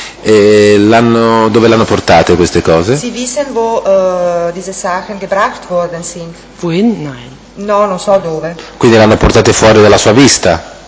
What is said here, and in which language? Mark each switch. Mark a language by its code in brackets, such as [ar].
[it] E l'hanno, dove l'hanno portate queste cose? [de] Sie wissen wo diese Sachen gebracht worden sind. Wohin? Nein. [it] No, non so dove. Quindi l'hanno portate fuori dalla sua vista?